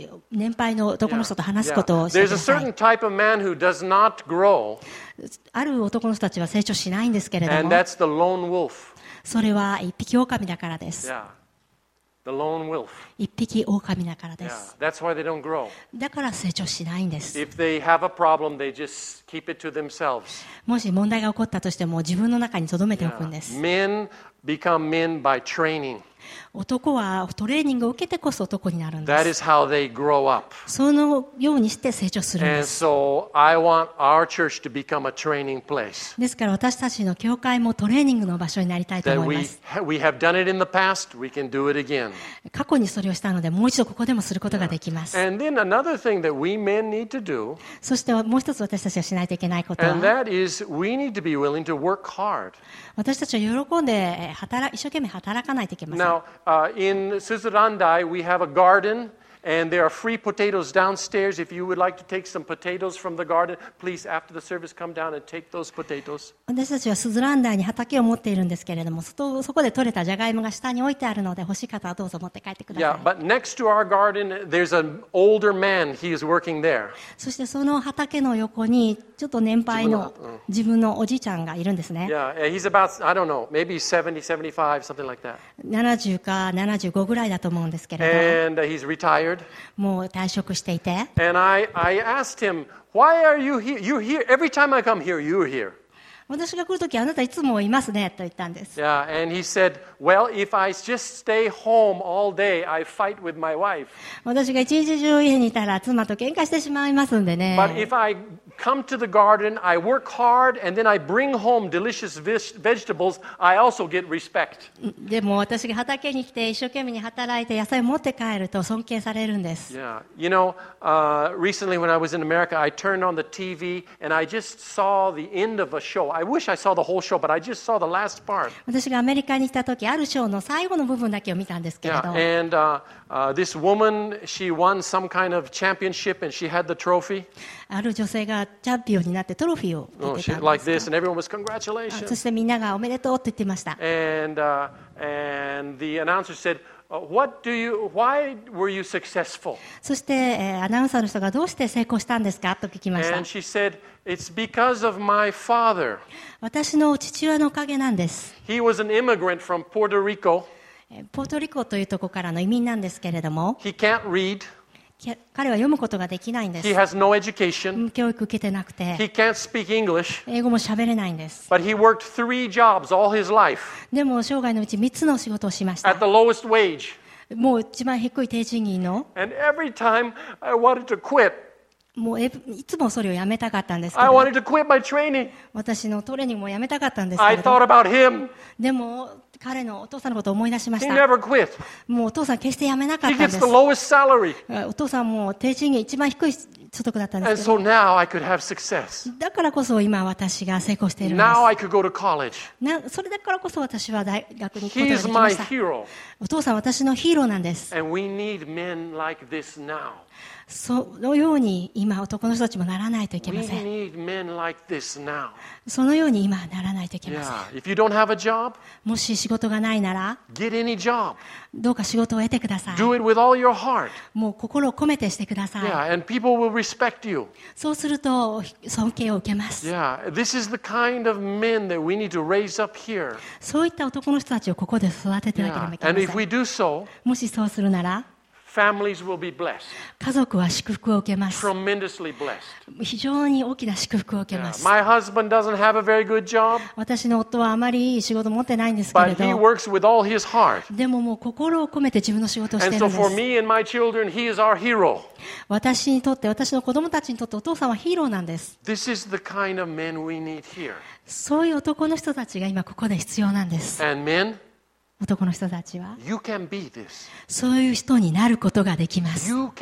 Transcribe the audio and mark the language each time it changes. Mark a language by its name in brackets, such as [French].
[Japanese] 年配の男の人と話すことをしてください。 [English] There's a certain type of man who does not grow. [Japanese] ある男の人たちは成長しないんですけれども。 [English] And that's the lone wolf. [Japanese] それは一匹狼だからです。 [English] Yeah. The lone wolf. [Japanese] 一匹狼だからです。 [English] Yeah, that's why they don't grow. [Japanese] だから成長しないんです。 [English] If they have a problem, they just keep it to themselves. [Japanese] もし問題が起こったとしても自分の中に留めておくんです。 [English] Yeah. Men become men by training. [Japanese] 男はトレーニングを受けてこそ男になるんです。 [English] That is how they grow up. [Japanese] そのようにして成長するんです。 [English] And so I want our church to become a training place. [Japanese] ですから私たちの教会もトレーニングの場所になりたいと思います。 [English] That we have done it in the past, we can do it again. [Japanese] 過去にそれをしたのでもう一度ここでもすることができます。 [English] And then another thing that we men need to do. [Japanese] そしてもう一つ私たちがしないといけないことは。 [English] And that is we need to be willing to work hard. [Japanese] 私たちは喜んで一生懸命働かないといけません。 [English] Now,in Suzurandai, we have a garden, and there are free potatoes downstairs. If you would like to take some potatoes from the garden, please, after the service, come down and take those potatoes. [Japanese] 私たちはスズランダイに畑を持っているんですけれども、そこで採れたジャガイモが下に置いてあるので、欲しい方はどうぞ持って帰ってください。 [English] Yeah, but next to our garden, there's an older man. He is working there. [Japanese] そしてその畑の横にちょっと年配の自分のおじいちゃんがいるんですね。 [English] Yeah, he's about, I don't know, maybe 70, 75, something like that. [Japanese] 70か75ぐらいだと思うんですけれども。 [English] And he's retired. [Japanese] もう退職していて。 [English] And I asked him, why are you here? You're here. Every time I come here, you're here. [Japanese] 私が来るときあなたいつもいますねと言ったんです。 [English] Yeah, and he said, well, if I just stay home all day, I fight with my wife. [Japanese] 私が一日中家にいたら妻と喧嘩してしまいますんでね。 [English] But if I come to the garden, I work hard, and then I bring home delicious vegetables, I also get respect. [Japanese] でも私が畑に来て一生懸命に働いて野菜を持って帰ると尊敬されるんです。 [English] Yeah, you know, recently when I was in America, I turned on the TV and I just saw the end of a show. I wish I saw the whole show, but I just saw the last part. [Japanese] 私がアメリカに来た時、あるショーの最後の部分だけを見たんですけれど。 [English] Yeah, and this woman, she won some kind of championship and she had the trophy. [Japanese] ある女性がチャンピオンになってトロフィーを受けたんです。 [English] Oh, she did like this, and everyone was congratulations. [Japanese] そしてみんながおめでとうと言ってました。 [English] And the announcer said,why were you successful? [Japanese] そして、アナウンサーの人がどうして成功したんですかと聞きました。 [English] And she said, it's because of my father. [Japanese] 私の父親のおかげなんです。 [English] He was an immigrant from Puerto Rico. [Japanese] ポートリコというところからの移民なんですけれども。 [English] He can't read. [Japanese] 彼は読むことができないんです。 [English] He has no education. [Japanese] 教育受けてなくて。 [English] He can't speak English. [Japanese] 英語も喋れないんです。 [English] But he worked three jobs all his life. [Japanese] でも生涯のうち3つの仕事をしました。 [English] At the lowest wage. [Japanese] もう一番低い低賃金の。 [English] And every time I wanted to quit. [Japanese] もういつもそれをやめたかったんですけど。 [English] I wanted to quit my training. [Japanese] 私のトレーニングもやめたかったんですけど。 [English] I thought about him. [Japanese] でも彼のお父さんのことを思い出しました。 [English] He never quit. [Japanese] もうお父さん決してやめなかったんです。 [English] He gets the lowest salary. [Japanese] お父さんも低賃金一番低い所得だったんですけど。 [English] And so now I could have success. [Japanese] だからこそ今私が成功しているんです。 [English] Now I could go to college. [Japanese] それだからこそ私は大学に行くことができました。 [English] He is my hero. [Japanese] お父さん私のヒーローなんです。 [English] And we need men like this now. [Japanese] そのように今男の人たちもならないといけません。 [English] We need men like this now. [Japanese] そのように今ならないといけません。 [English] Yeah. If you don't have a job, [Japanese] もし仕事がないなら、 [English] get any job. [Japanese] どうか仕事を得てください。 [English] Do it with all your heart. [Japanese] もう心を込めてしてください。 [English] Yeah. And people will respect you. [Japanese] そうすると尊敬を受けます。 [English] Yeah. This is the kind of men that we need to raise up here. [Japanese] そういった男の人たちをここで育ててなければいけません。 [English] And if we do so, [Japanese] もしそうするなら、 [English] Families will be blessed. [Japanese] 家族は祝福を受けます。 [English] Tremendously blessed. [Japanese] 非常に大きな祝福を受けます。 [English] My husband doesn't have a very good job. [Japanese] 私の夫はあまりいい仕事を持ってないんですけれど。 [English] But he works with all his heart. [Japanese] でももう心を込めて自分の仕事をしているんです。 [English] And so for me and my children, he is our hero. [Japanese] 私にとって私の子供たちにとってお父さんはヒーローなんです。 [English] This is the kind of men we need here. [Japanese] そういう男の人たちが今ここで必要なんです。 [English] And men. [Japanese] 男の人たちはそういう人になることができます。